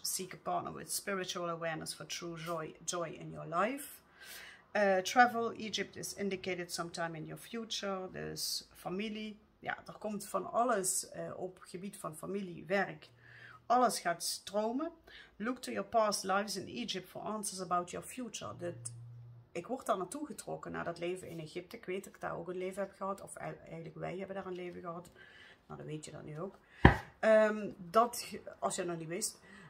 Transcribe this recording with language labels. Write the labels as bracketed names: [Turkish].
[English] Seek a partner with spiritual awareness for true joy in your life. Travel, Egypt is indicated sometime in your future. [Dutch] Dus familie. Ja, er komt van alles op het gebied van familie, werk. Alles gaat stromen. [English] Look to your past lives in Egypt for answers about your future. [Dutch] Ik word daar naartoe getrokken, naar dat leven in Egypte. Ik weet dat ik daar ook een leven heb gehad. Of eigenlijk wij hebben daar een leven gehad. Nou, dat weet je dan nu ook. Dat, als je het nog niet wist.